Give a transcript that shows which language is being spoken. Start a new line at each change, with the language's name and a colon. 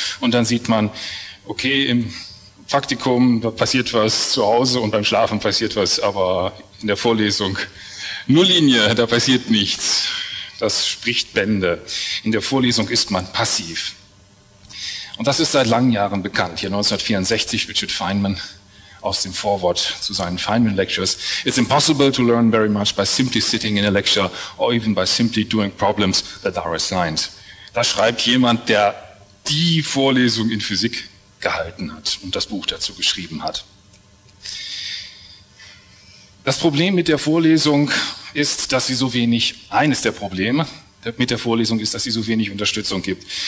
German: Und dann sieht man, okay, im Praktikum passiert was zu Hause und beim Schlafen passiert was, aber in der Vorlesung Nulllinie, da passiert nichts. Das spricht Bände. In der Vorlesung ist man passiv. Und das ist seit langen Jahren bekannt. Hier 1964 Richard Feynman aus dem Vorwort zu seinen Feynman Lectures.
English: It's impossible to learn very much by simply sitting in a lecture or even by simply doing problems that are assigned.
German: Da schreibt jemand, der die Vorlesung in Physik gehalten hat und das Buch dazu geschrieben hat. Das Problem mit der Vorlesung ist, dass sie so wenig, eines der Probleme mit der Vorlesung ist, dass sie so wenig Unterstützung gibt.